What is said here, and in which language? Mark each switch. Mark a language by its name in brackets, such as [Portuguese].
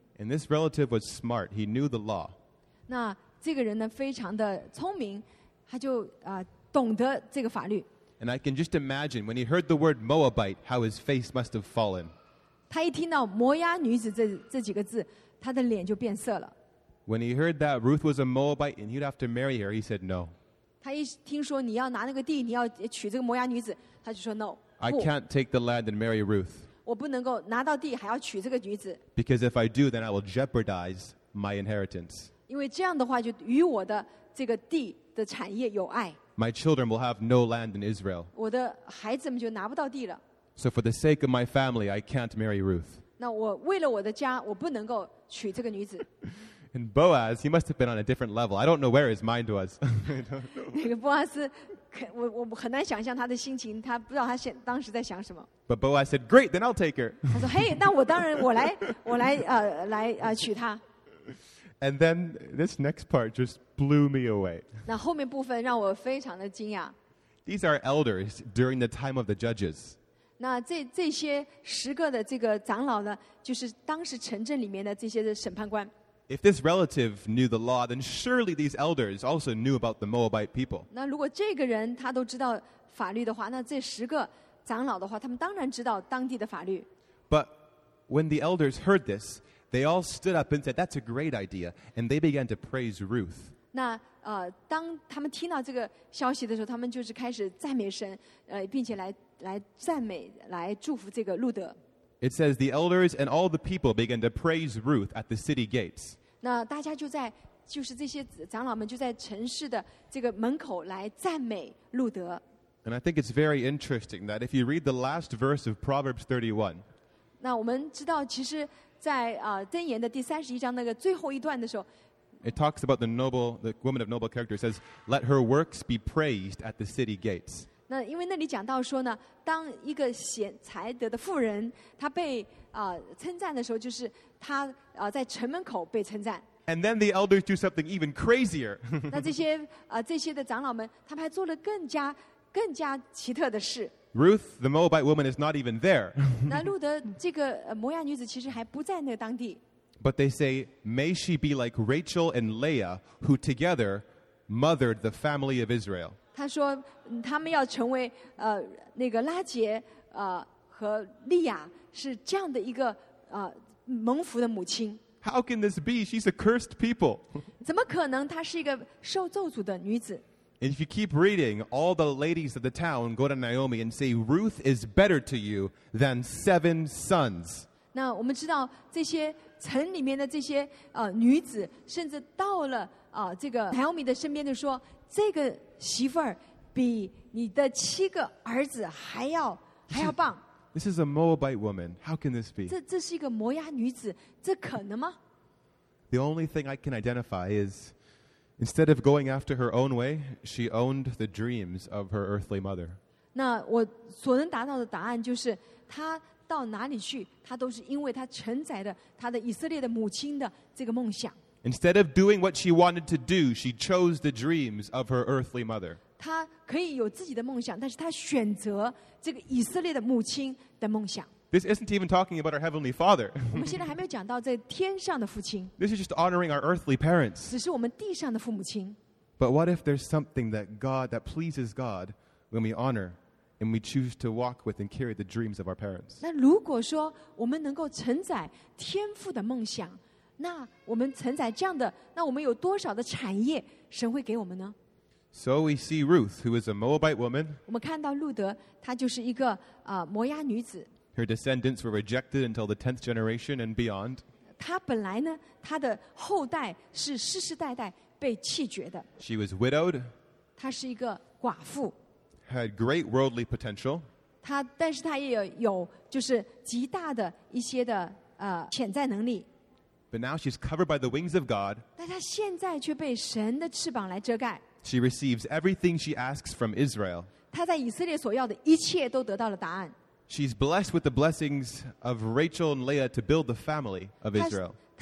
[English] And this relative was smart he knew the law [Chinese] 那这个人呢非常的聪明他就懂得这个法律 [English] And I can just imagine when he heard the word Moabite how his face must have fallen [Chinese] 他一听到摩押女子这几个字他的脸就变色了 [English] When he heard that Ruth was a Moabite and he'd have to marry her, he said no. [Chinese] 他一听说你要拿那个地你要娶这个摩押女子他就说 [English] no. I can't take the land and marry Ruth. [Chinese] 我不能够拿到地还要娶这个女子 [English] Because if I do, then I will jeopardize my inheritance. [Chinese] 因为这样的话就与我的这个地的产业有碍 [English] My children will have no land in Israel. [Chinese] 我的孩子们就拿不到地了 [English] So for the sake of my family, I can't marry Ruth. [Chinese] 那我为了我的家，我不能够娶这个女子。 [English] And Boaz, he must have been on a different level. I don't know where his mind was. I don't know. [Chinese] 那个波阿斯，我很难想象他的心情，他不知道他当时在想什么。 [English] But Boaz said, "Great, then I'll take her." [Chinese] 他说，嘿，那我当然，我来娶她。 [English] And then this next part just blew me away. [Chinese] 那后面部分让我非常的惊讶。 [English] These are elders during the time of the judges. [Chinese] 那 这些十个的这个长老呢就是当时城镇里面的这些的审判官 [English] If this relative knew the law then surely these elders also knew about the Moabite people [Chinese] 那如果这个人他都知道法律的话那这十个长老的话他们当然知道当地的法律 [English] But when the elders heard this they all stood up and said that's a great idea and they began to praise Ruth [Chinese] 那当他们听到这个消息的时候他们就是开始赞美神并且来赞美来祝福这个路德 [English] It says the elders and all the people began to praise Ruth at the city gates [Chinese] 那大家就在就是这些长老们就在城市的这个门口来赞美路德 [English] And I think it's very interesting that if you read the last verse of Proverbs 31 [Chinese] 那我们知道其实在箴言的第三十一章那个最后一段的时候 [English] It talks about the woman of noble character says let her works be praised at the city gates [Chinese] 那因为那里讲到说呢，当一个贤才德的妇人，她被称赞的时候，就是她在城门口被称赞。 [English] And then the elders do something even crazier. [Chinese] 那这些的长老们，他们还做了更加奇特的事。 [English] Ruth, the Moabite woman, is not even there. [Chinese] 那路德这个摩押女子其实还不在那当地。 [English] But they say, may she be like Rachel and Leah, who together mothered the family of Israel. [Chinese] 他说他们要成为那个拉杰和利亚是这样的一个蒙福的母亲 [English] How can this be? She's a cursed people. [Chinese] 怎么可能? 她是一个受咒诅的女子。 [English] And if you keep reading, all the ladies of the town go to Naomi and say, Ruth is better to you than seven sons. [Chinese] 那我们知道这些城里面的这些女子甚至到了这个Naomi的身边就说这个媳妇儿比你的七个儿子还要棒。 [English] This is a Moabite woman. How can this be? [Chinese] 这是一个摩押女子, 这可能吗? [English] The only thing I can identify is instead of going after her own way, she owned the dreams of her earthly mother. [Chinese] 那我所能达到的答案就是, 她到哪里去, 她都是因为她承载的她的以色列的母亲的这个梦想。 [English] Instead of doing what she wanted to do, she chose the dreams of her earthly mother. [Chinese] 她可以有自己的梦想, 但是她选择这个以色列的母亲的梦想。 [English] This isn't even talking about our heavenly father. [Chinese] 我们现在还没有讲到在天上的父亲。 [English] This is just honoring our earthly parents. [Chinese] 只是我们地上的父母亲。 [English] But what if there's something that God, that pleases God, when we honor and we choose to walk with and carry the dreams of our parents? [Chinese] 那如果说我们能够承载天父的梦想, 那我们承载这样的, 那我们有多少的产业, 神会给我们呢? [English] So we see Ruth, who is a Moabite woman. [Chinese] 我们看到路德, 她就是一个, 摩押女子。 [English] Her descendants were rejected until the 10th generation and beyond. [Chinese] 她本来呢, 她的后代是世世代代被弃绝的。 [English] She was widowed. [Chinese] 她是一个寡妇。 [English] Had great worldly potential. [Chinese] 但是她也有极大的一些的潜在能力。 [English] But now she's covered by the wings of God. [Chinese] 但她现在却被神的翅膀来遮盖。 [English] She receives everything she asks from Israel. [Chinese] 她在以色列所要的一切都得到了答案。 [English] She's blessed with the blessings of Rachel and Leah to build the family of Israel.